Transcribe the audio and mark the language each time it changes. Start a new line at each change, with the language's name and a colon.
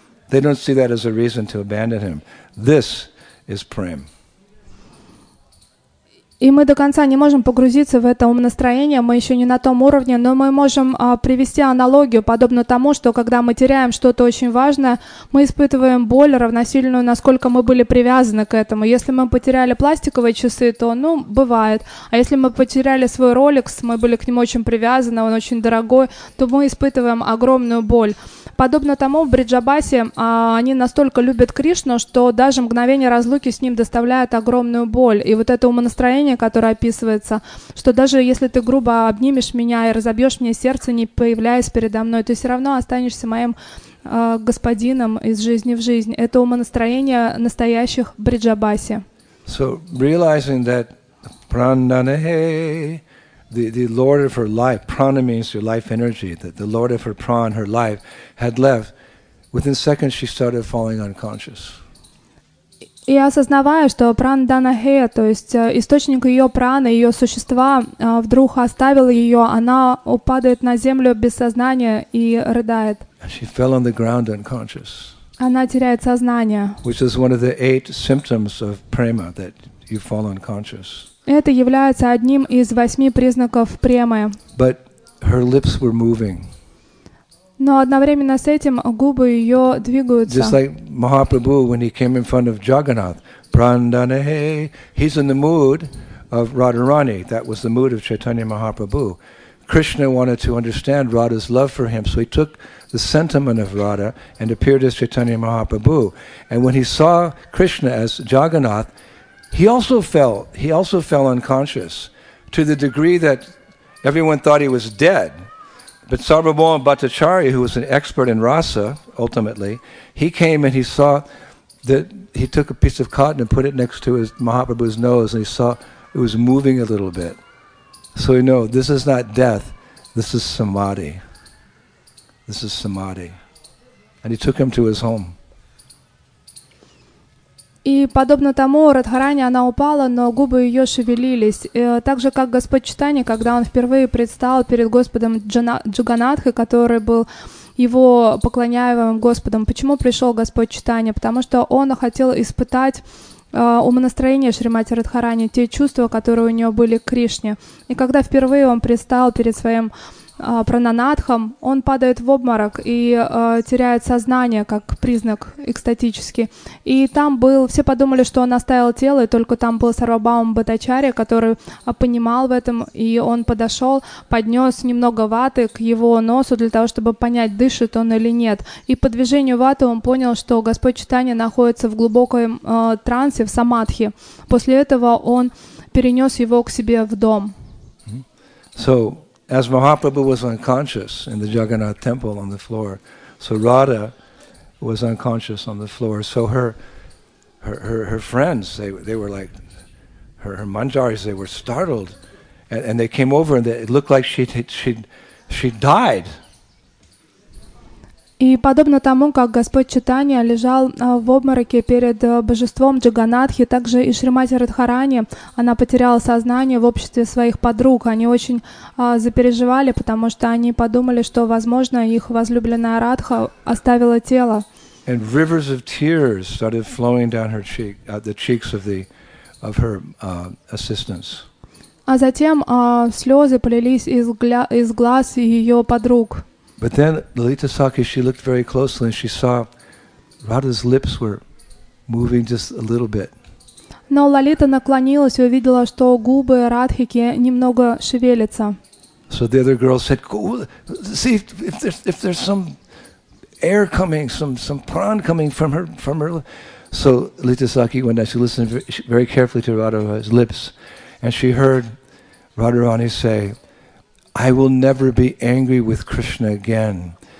English: They don't see that as a reason to abandon him. This is prem.
Russian: И мы до конца не можем погрузиться в это умонастроение, мы еще не на том уровне, но мы можем привести аналогию, подобно тому, что когда мы теряем что-то очень важное, мы испытываем боль равносильную, насколько мы были привязаны к этому. Если мы потеряли пластиковые часы, то, ну, бывает. А если мы потеряли свой Rolex, мы были к нему очень привязаны, он очень дорогой, то мы испытываем огромную боль. Подобно тому, в Бриджабасе они настолько любят Кришну, что даже мгновение разлуки с ним доставляет огромную боль. И вот это умонастроение, которое описывается, что даже если ты грубо обнимешь меня и разобьешь мне сердце, не появляясь передо мной, ты все равно останешься моим господином из жизни в жизнь. Это умонастроение настоящих Бриджабаси.
English: So, realizing that Prananehe, the Lord of her life, prana means your life energy, that the Lord of her prana, her life, had left, within seconds she started falling unconscious.
Russian: И осознавая, что Прандана-хе, то есть источник ее праны, ее существа, вдруг оставил ее, она упадает на землю без сознания и рыдает.
English: And she fell on the ground unconscious.
Russian: Она теряет сознание.
English: Which is one of the eight symptoms of prema, that you fall unconscious.
Russian: Это является одним из восьми признаков премы.
English: But her lips were moving.
Russian: Но одновременно с этим губы ее двигаются.
English: Just like Mahaprabhu, when he came in front of Jagannath, Prandanehe, he's in the mood of Radharani. That was the mood of Chaitanya Mahaprabhu. Krishna wanted to understand Radha's love for him, so he took the sentiment of Radha and appeared as Chaitanya Mahaprabhu. And when he saw Krishna as Jagannath, He also fell unconscious to the degree that everyone thought he was dead. But Sarvabhauma Bhattacharya, who was an expert in rasa, ultimately, he came and he saw that he took a piece of cotton and put it next to his Mahaprabhu's nose and he saw it was moving a little bit. So he knew, this is not death, this is samadhi. This is samadhi. And he took him to his home.
Russian: И подобно тому, Радхарани она упала, но губы ее шевелились. И, так же, как Господь Чайтанья, когда он впервые предстал перед Господом Джаганатхой, который был его поклоняемым Господом. Почему пришел Господь Чайтанья? Потому что он хотел испытать умонастроение Шримати Радхарани, те чувства, которые у нее были к Кришне. И когда впервые он предстал перед своим Прананатхам, он падает в обморок и теряет сознание как признак экстатический. И там был, все подумали, что он оставил тело, и только там был Сарвабхаума Бхаттачарья, который понимал в этом, и он подошел, поднес немного ваты к его носу для того, чтобы понять, дышит он или нет. И по движению ваты он понял, что Господь Чайтанья находится в глубоком трансе, в самадхи. После этого он перенес его к себе в дом.
English: So, as Mahaprabhu was unconscious in the Jagannath temple on the floor, so Radha was unconscious on the floor. So her friends, they were like, her manjaris, they were startled, and they came over and it looked like she died.
Russian: И подобно тому, как Господь Чайтанья лежал в обмороке перед божеством Джаганатхи, также и Шримати Радхарани, она потеряла сознание в обществе своих подруг. Они очень запереживали, потому что они подумали, что, возможно, их возлюбленная Радха оставила тело.
English: And rivers of tears started flowing down her cheek, the cheeks of the of her assistants.
Russian: А затем слезы полились из глаз ее подруг.
English: But then Lalita Sakhi, she looked very closely and she saw Radha's lips were moving just a little bit.
Russian: Но Лалита наклонилась и увидела, что губы Радхики немного шевелятся.
English: So the other girl said, "Go see if there's some air coming, some prana coming from her. So Lita Saki went down, she listened very carefully to Radharani's lips, and she heard Radharani say, "I will never be angry with Krishna again.